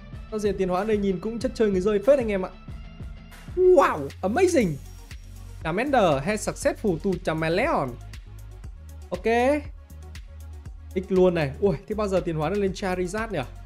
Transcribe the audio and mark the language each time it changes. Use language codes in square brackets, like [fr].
[vi] Sao diện tiến hóa đây nhìn cũng chất chơi người rơi phết anh em ạ. [en] Wow, amazing. Charmander has successful to Charmeleon. [vi] Ok. X luôn này. Ui, thế bao giờ tiến hóa nó lên Charizard nhỉ?